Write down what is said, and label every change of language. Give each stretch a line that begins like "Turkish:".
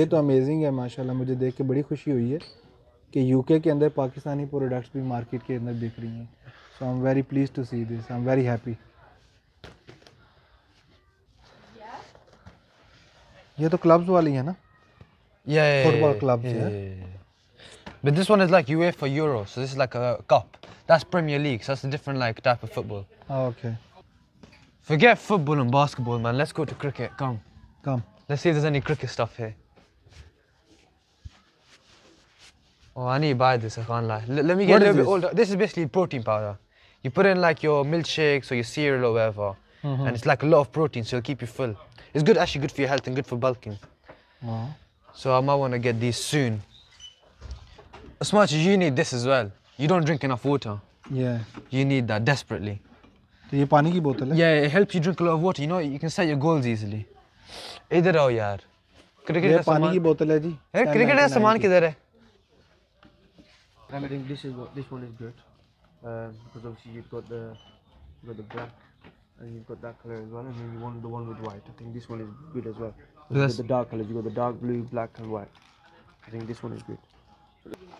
Hindi: ये तो अमेजिंग है माशाल्लाह मुझे देख के बड़ी खुशी हुई है कि यूके के अंदर पाकिस्तानी प्रोडक्ट्स भी मार्केट के अंदर बिक रही हैं
English: so I am very pleased to see this I am very happy
Hindi: ये तो क्लब्स वाली है ना या फुटबॉल क्लब्स है
English: But this one is like UEFA Euro so this is like a cup that's premier league so that's a different like type of football okay forget football and basketball man let's go to cricket come come Let's see if there's any cricket stuff here. Oh, I need to buy this, I can't lie. Let me get what a little bit this? Older. This is basically protein powder. You put in like your milkshakes or your cereal or whatever. Mm-hmm. And it's like a lot of protein, so it'll keep you full. It's good, actually good for your health and good for bulking. Wow. So I might want to get these soon. As much as you need this as well. You don't drink enough water. Yeah. You need that desperately. So this is a water bottle? Yeah, it helps you drink a lot of water. You know, you can set your goals easily.
Hindi: इधर आओ यार cricket का पानी की बोतल है जी ए, cricket का सामान किधर है
English: I think this one is good because obviously you got the black and you got that colour as well and you want the one with white I think this one is good as well the dark colour you got the dark blue black and white I think this one is good